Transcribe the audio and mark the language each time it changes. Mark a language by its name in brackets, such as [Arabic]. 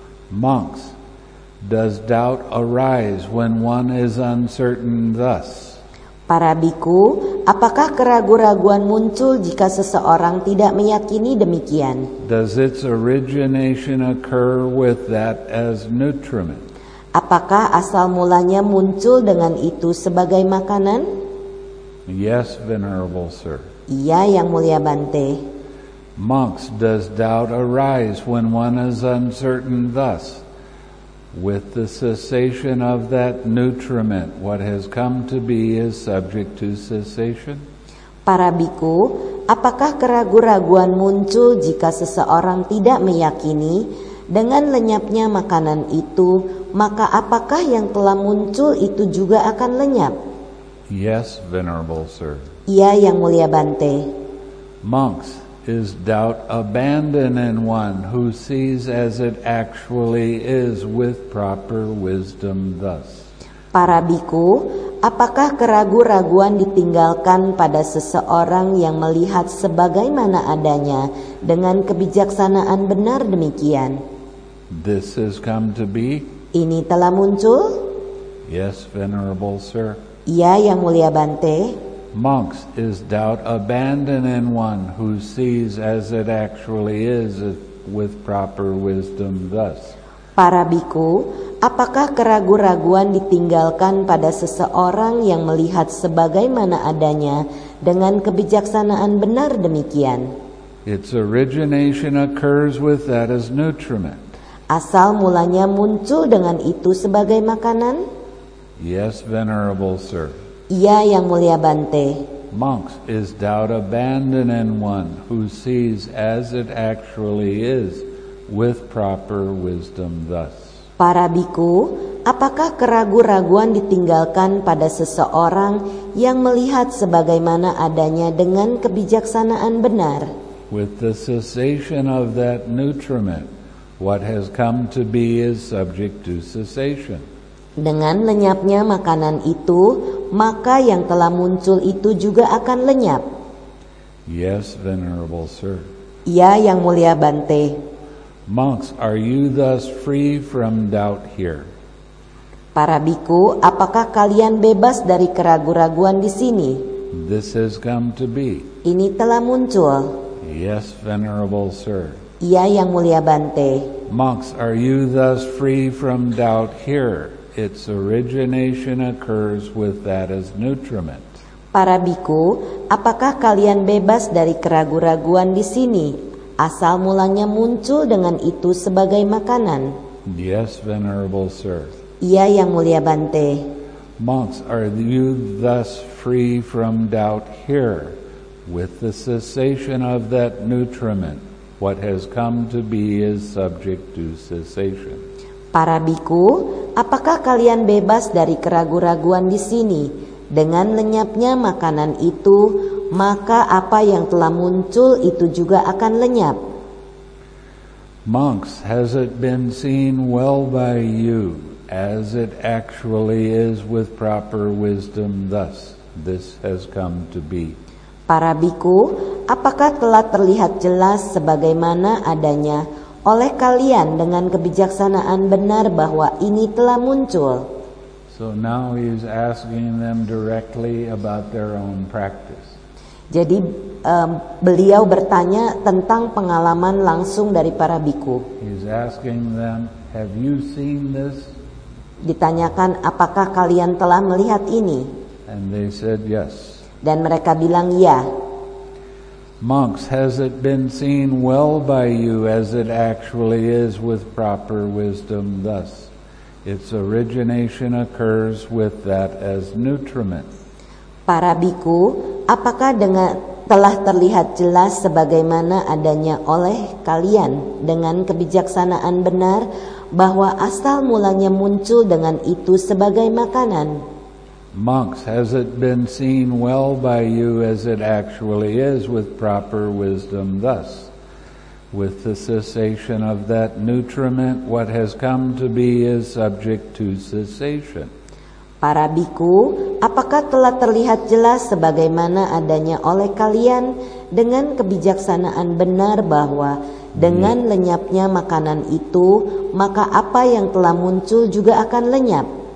[English] Monks, does doubt arise when one is uncertain thus? [Indonesian] Para bhikkhu, apakah keraguan-raguan muncul jika seseorang tidak meyakini demikian? [English] Does its origination occur with that as nutriment? [Indonesian] Apakah asal mulanya muncul dengan itu sebagai makanan? [English] Yes, venerable sir. [Indonesian] Iya, Yang Mulia Bante. [English] Monks, does doubt arise when one is uncertain thus? With the cessation of that nutriment, what has come to be is subject to cessation? [Indonesian] Para bhikkhu, apakah keraguan-raguan muncul jika seseorang tidak meyakini dengan lenyapnya makanan itu, maka apakah yang telah muncul itu juga akan lenyap? [English] Yes, venerable sir. [Indonesian] Iya, Yang Mulia Bante. [English] Monks, is doubt abandoned in one who sees as it actually is with proper wisdom thus? [Indonesian] Para bhikkhu, apakah keragu-raguan ditinggalkan pada seseorang yang melihat sebagaimana adanya dengan kebijaksanaan benar demikian? [English] This has come to be? [Indonesian] Ini telah muncul? [English] Yes, venerable sir. [Indonesian] Ya, Yang Mulia Bante. [English] Monks, is doubt abandoned in one who sees as it actually is with proper wisdom thus? [Indonesian] Para biku, apakah keragu-raguan ditinggalkan pada seseorang yang melihat sebagaimana adanya dengan kebijaksanaan benar demikian? [English] Its origination occurs with that as nutriment. [Indonesian] Asal mulanya muncul dengan itu sebagai makanan? [English] Yes, venerable sir. [Indonesian] Iya, Yang Mulia Bante. [English] Monks, is doubt abandoned in one who sees as it actually is with proper wisdom thus? [Indonesian] Para biku, apakah keragu-raguan ditinggalkan pada seseorang yang melihat sebagaimana adanya dengan kebijaksanaan benar? [English] With the cessation of that nutriment, what has come to be is subject to cessation. [Indonesian] Dengan lenyapnya makanan itu, maka yang telah muncul itu juga akan lenyap. [English] Yes, venerable sir. [Indonesian] Ya, Yang Mulia Bante. [English] Monks, are you thus free from doubt here? [Indonesian] Para biku, apakah kalian bebas dari keragu-raguan di sini? [English] This has come to be. [Indonesian] Ini telah muncul. [English] Yes, venerable sir. [Indonesian] Ya, Yang Mulia Bante. [English] Monks, are you thus free from doubt here? Its origination occurs with that as nutriment. [Indonesian] Para biku, apakah kalian bebas dari keragu-raguan di sini? Asal mulanya muncul dengan itu sebagai makanan. [English] Yes, venerable sir. [Indonesian] Iya, Yang Mulia Bante. [English] Monks, are you thus free from doubt here? With the cessation of that nutriment, what has come to be is subject to cessation. [Indonesian] Para biku, apakah kalian bebas dari keragu-raguan di sini? Dengan lenyapnya makanan itu, maka apa yang telah muncul itu juga akan lenyap. [English] Monks, has it been seen well by you, as it actually is with proper wisdom thus, this has come to be? [Indonesian] Para biku, apakah telah terlihat jelas sebagaimana adanya oleh kalian dengan kebijaksanaan benar bahwa ini telah muncul? [English] So now he is asking them directly about their own practice. [Indonesian] Jadi beliau bertanya tentang pengalaman langsung dari para biku. [English] He is asking them, have you seen this? [Indonesian] Ditanyakan, apakah kalian telah melihat ini? [English] And they said yes. [Indonesian] Dan mereka bilang ya. [English] Monks, has it been seen well by you as it actually is with proper wisdom thus? Its origination occurs with that as nutriment. [Indonesian] Para biku, apakah dengan telah terlihat jelas sebagaimana adanya oleh kalian dengan kebijaksanaan benar bahwa asal mulanya muncul dengan itu sebagai makanan? [English] Monks, has it been seen well by you as it actually is with proper wisdom thus? With the cessation of that nutriment, what has come to be is subject to cessation. [Indonesian] Para biku, apakah telah terlihat jelas sebagaimana adanya oleh kalian dengan kebijaksanaan benar bahwa dengan lenyapnya makanan itu, maka apa yang telah muncul juga akan lenyap?